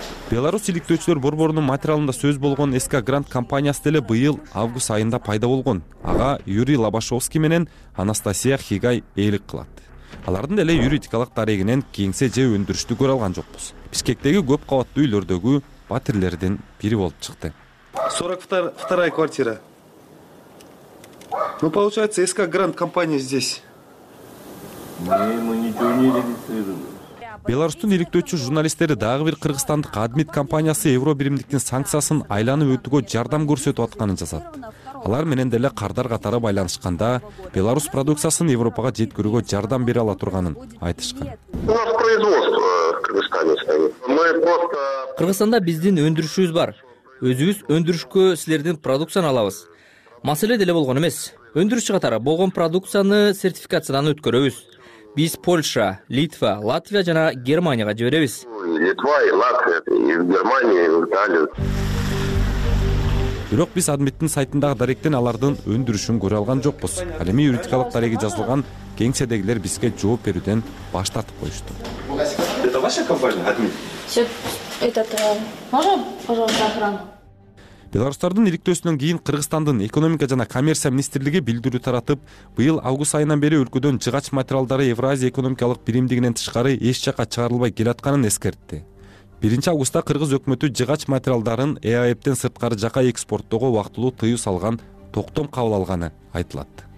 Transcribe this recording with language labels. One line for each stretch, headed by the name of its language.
Kyrgyz: Беларусь иликтөөчүлөр борборунун материалында сөз болгон СК Грант компаниясы деле быйыл август айында пайда болгон. Ага Юрий Лобашовский менен Анастасия Хигай ээлик кылат. Алардын деле юридикалык тарегинен кеңсе же өндүрүштү көрө алган жокпуз. Бишкектеги көп кабаттуу үйлөрдөгү батирлердин бири болуп чыкты.
Russian: 42-я квартира. Получается, СК Грант компания здесь. Мы ничего не регистрируем.
Kyrgyz: Беларусьтун иликтөөчү журналисттери дагы бир кыргызстандык Адмит компаниясы Евробиримдиктин санкциясын айланып өтүүгө жардам көрсөтүп атканын жазат. Алар менен деле кардар катары байланышканда Беларусь продукциясын Европага жеткирүүгө жардам бере ала турганын айтышкан. Кыргызстанда биздин өндүрүшүбүз бар. Өзүбүз өндүрүшкө силердин продукцияны алабыз. Маселе деле болгон эмес. Өндүрүш катары болгон продукцияны сертификациядан өткөрөбүз. Биз Польша, Литва, Латвия жана Германияга жиберебиз. Литва, Латвия, Германия, Италия. Бирок биз Адмиттин сайтындагы даректен алардын өндүрүшүн көрө алган жокпуз. Ал эми юридикалык тареги жазылган кеңседегилер бизге жооп берүүдөн баш тартып коюшту.
Russian: Это ваша компания, Адмит? Можно, пожалуйста, охрану?
Kyrgyz: Беларусьтардын иликтөөсүнөн кийин Кыргызстандын экономика жана коммерция министрлиги билдирүү таратып, быйыл август айынан бери өлкөдөн жыгач материалдары Евразия экономикалык биримдигинен тышкары эч жакка чыгарылбай келатканын эскертти. 1 августта кыргыз өкмөтү жыгач материалдарын ЭАЭП'тен сырткары жака экспорттоого убактылуу тыюу салган токтом кабыл алганы айтылат.